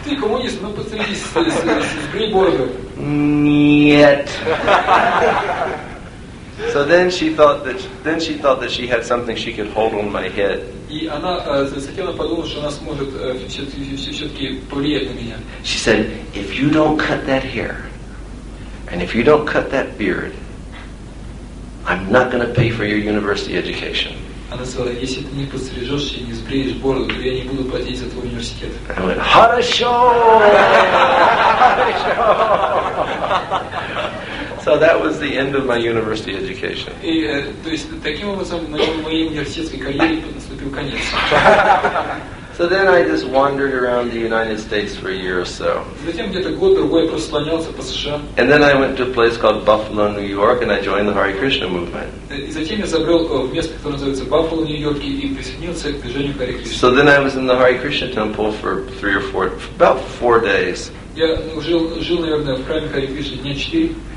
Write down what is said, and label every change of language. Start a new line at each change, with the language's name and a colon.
Russian: Ты коммунист, ну подстригись, сбрей бороду. Нет.
English: So then she thought that she had something she could hold on my head.
Russian: И она захотела подумать, что она сможет все-таки повлиять на меня.
English: She said, if you don't cut that hair, and if you don't cut that beard, I'm not going to pay for your university education.
Russian: Она сказала, если ты не подстрижешь и не сбреешь бороду, то я не буду платить за твой университет.
English: I went,
Russian: хорошо!
English: So that was the end of my university education.
Russian: И, то есть, таким образом, моей университетской карьере наступил конец.
English: So then I just wandered around the United States for a year or so.
Russian: Затем где-то год-другой просто слонялся по США.
English: And then I went to a place called Buffalo, New York, and I joined the Hare Krishna movement.
Russian: И затем я забрел в место, которое называется Buffalo, New York, и присоединился к движению Hare Krishna.
English: So then I was in the Hare Krishna temple for about four days.
Russian: Я жил, наверное, в храме Hare Krishna дня четыре.